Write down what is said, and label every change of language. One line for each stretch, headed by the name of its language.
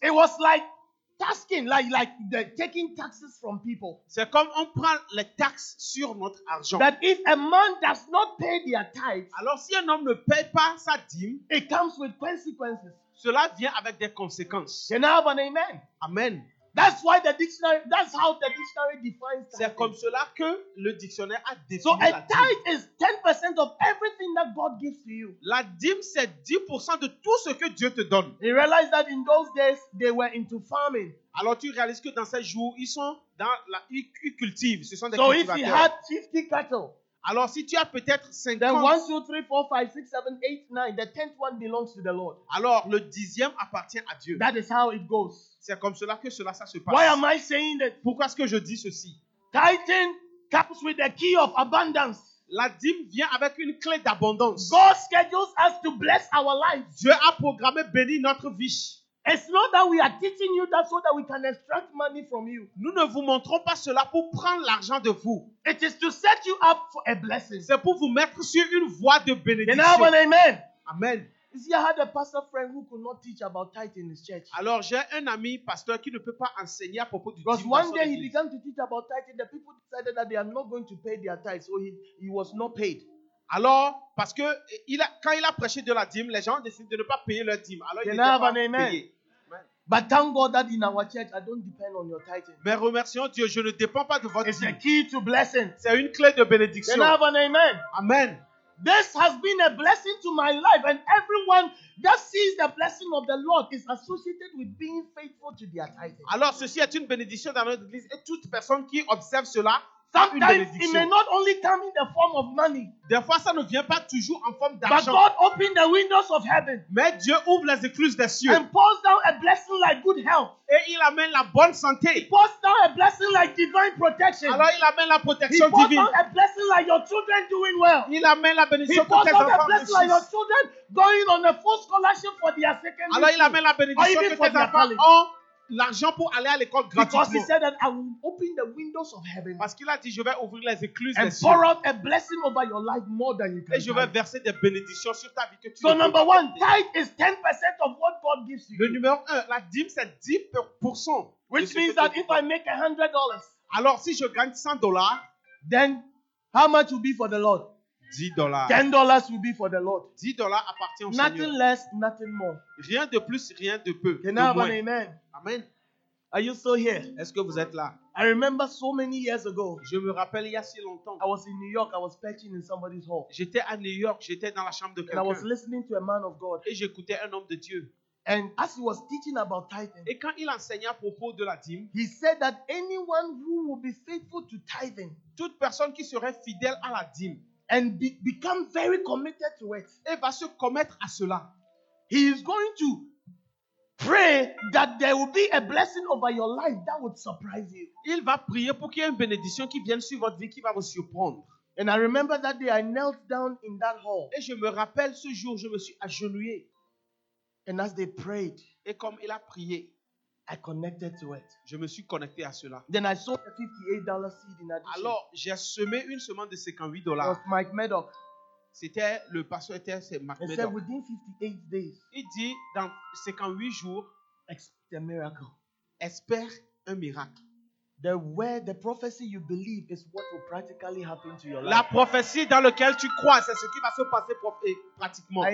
English: It was like tasking, like the taking taxes from people.
French: C'est comme on prend les taxes sur notre argent.
English: That if a man does not pay their tithe,
French: alors si un homme ne paye pas sa dîme,
English: it comes with consequences.
French: Cela vient avec des conséquences.
English: Can I have an amen? Amen. That's why the dictionary. That's how the dictionary defines tithe.
French: C'est comme cela que le dictionnaire a défini
English: so
French: la dîme.
English: So a tithe is 10% of everything that God gives to you.
French: La dîme c'est 10% de tout ce que Dieu te donne.
English: You realize that in those days they were into farming.
French: Alors tu réalises que dans ces jours ils sont dans la ils cultivent. Ce sont des
English: so
French: cultivateurs.
English: So if you had 50 cattle.
French: Alors si tu as peut-être 50.
English: Then 1, 2, 3, 4, 5, 6, 7, 8, 9. The tenth one belongs to the Lord.
French: Alors le dixième appartient à Dieu.
English: That is how it goes.
French: C'est comme cela que cela ça se passe.
English: Why am I saying that?
French: Pourquoi est-ce que je dis ceci?
English: Tithing comes with the key of abundance.
French: La dîme vient avec une clé d'abondance.
English: God schedules us to bless our lives.
French: Dieu a programmé bénir notre vie.
English: It's not that we are teaching you that so that we can extract money from you.
French: Nous ne vous montrons pas cela pour prendre l'argent de vous.
English: It is to set you up for a blessing.
French: C'est pour vous mettre sur une voie de bénédiction.
English: Can I have an amen? Amen. You see, I had a pastor friend who could not teach about tithe in his church.
French: Alors j'ai un ami pasteur qui ne peut pas enseigner à propos du tithe.
English: Because one day he began to teach about tithe, the people decided that they are not going to pay their tithe, so he was not paid.
French: Alors, parce que quand il a prêché de la dîme, les gens ont décidé de ne pas payer leur dîme. Alors,
English: can
French: il n'était pas payé.
English: Amen. But thank God that in our church, I don't depend on your tithe.
French: Mais remercions Dieu, je ne dépends pas de votre
English: it's
French: dîme.
English: It's a key to blessing.
French: C'est une clé de bénédiction.
English: Can I have an amen? Amen. This has been a blessing to my life, and everyone that sees the blessing of the Lord is associated with being faithful to their tithe.
French: Alors, ceci est une bénédiction dans notre église, et toute personne qui observe cela.
English: Sometimes it may not only come in the form of money.
French: Des fois, ça ne vient pas toujours en forme d'argent.
English: But God opened the windows of heaven.
French: Mais Dieu ouvre les écluses des cieux.
English: And pours down a blessing like good health.
French: Et il amène la bonne santé.
English: He pours down a blessing like divine protection.
French: Alors il amène la protection divine.
English: He pours down a blessing like your children doing well.
French: Il amène la bénédiction pour tes enfants.
English: He pours down a blessing like your children going on a full scholarship for their secondary.
French: Alors il amène la bénédiction que tes enfants ont. L'argent pour aller à l'école gratuitement.
English: Because he said that I will open the windows of heaven.
French: Parce qu'il a dit, je vais ouvrir les écluses
English: and pour out a blessing over your life more than you can.
French: Et je vais verser des bénédictions sur ta vie que tu.
English: So number one, tithe is 10% of what God gives you.
French: Le numéro un, la dîme c'est 10%.
English: Which means that if I make $100.
French: Alors si je gagne $100,
English: then how much will be for the Lord? $10. $10 will be for the Lord.
French: $10 appartient au
English: nothing
French: Seigneur.
English: Less, nothing more.
French: Rien de plus, rien de peu.
English: Can
French: de
English: I have
French: moins.
English: An amen? Amen. Are you still here?
French: Est-ce que vous êtes là?
English: I remember so many years ago.
French: Je me rappelle il y a si longtemps.
English: I was in New York. I was preaching in somebody's hall.
French: J'étais à New York. J'étais dans la chambre de quelqu'un.
English: And I was listening to a man of God.
French: Et j'écoutais un homme de Dieu.
English: And as he was teaching about tithing,
French: et quand il enseigna à propos de la dîme,
English: he said that anyone who will be faithful to tithing,
French: toute personne qui serait fidèle à la dîme,
English: and become very committed to it,
French: et va se commettre à cela,
English: he is going to pray that there will be a blessing over your life that would surprise you.
French: Il va prier pour qu'il y ait une bénédiction qui vienne sur votre vie qui va vous surprendre.
English: And I remember that day I knelt down in that hall.
French: Et je me rappelle ce jour je me suis agenouillé.
English: And as they prayed,
French: et comme il a prié,
English: I connected to it.
French: Je me suis connecté à cela.
English: Then I sowed a $58 seed in addition.
French: Alors, j'ai semé une semence de $58.
English: It was Mike Medoc.
French: C'était le pasteur était c'est Mike Medoc.
English: He said within 58 days.
French: Il dit dans 58 jours,
English: expect a miracle.
French: Espère un miracle.
English: The word, the prophecy you believe is what will practically happen to your life.
French: La prophétie dans laquelle tu crois, c'est ce qui va se passer pratiquement.